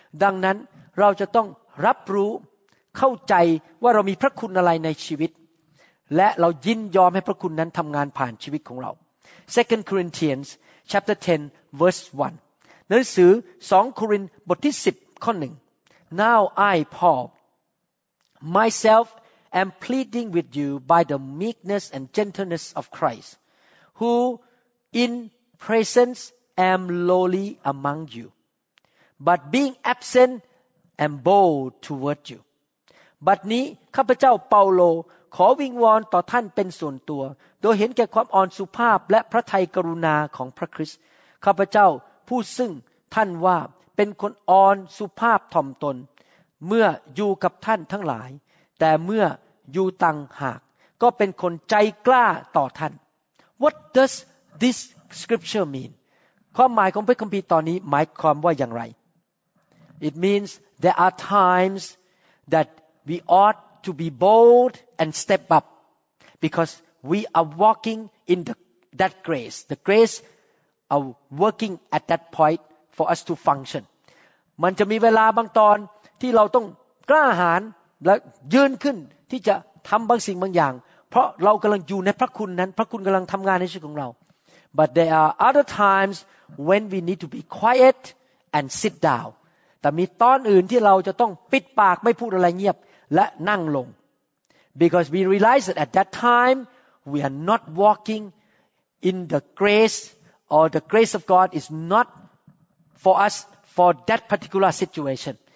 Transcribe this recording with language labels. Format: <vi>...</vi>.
<th>ดังนั้นเราจะต้องรับรู้เข้าใจว่าเรามีพระคุณอะไรในชีวิตและเรายินยอมให้พระคุณนั้นทำงานผ่านชีวิตของเรา</th> <en>2 Corinthians chapter 10 verse 1</en> <th>หนังสือ2โครินธ์บทที่10ข้อ1</th> <en>Now I Paul myself am pleading with you by the meekness and gentleness of Christ. Who in presence am lowly among you, but being absent am bold toward you.</en> <th>บัดนี้ข้าพเจ้าเปาโลขอวิงวอนต่อท่านเป็นส่วนตัวโดยเห็นแก่ความอ่อนสุภาพและพระทัยกรุณาของพระคริสต์ข้าพเจ้าผู้ซึ่งท่านว่าเป็นคนอ่อนสุภาพถ่อมตนเมื่ออยู่กับท่านทั้งหลายแต่เมื่ออยู่ต่างหากก็เป็นคนใจกล้าต่อท่าน</th> <en>What does this scripture mean?</en> <th>ความหมายของพระคัมภีร์ตอนนี้หมายความว่าอย่างไร</th> <en>It means there are times that we ought to be bold and step up because we are walking in that grace. The grace are working at that point for us to function.</en> <th>มันจะมีเวลาบางตอนที่เราต้องกล้าหาญและยืนขึ้นที่จะทำบางสิ่งบางอย่างเพราะเรากำลังอยู่ในพระคุณนั้นพระคุณกำลังทำงานในชีวิตของเรา</th> <en>But there are other times when we need to be quiet and sit down</en> <th>แต่มีตอนอื่นที่เราจะต้องปิดปากไม่พูดอะไรเงียบและนั่งลง</th> <en>Because we realize that at that time we are not walking in the grace or the grace of God is not for us for that particular situation</en>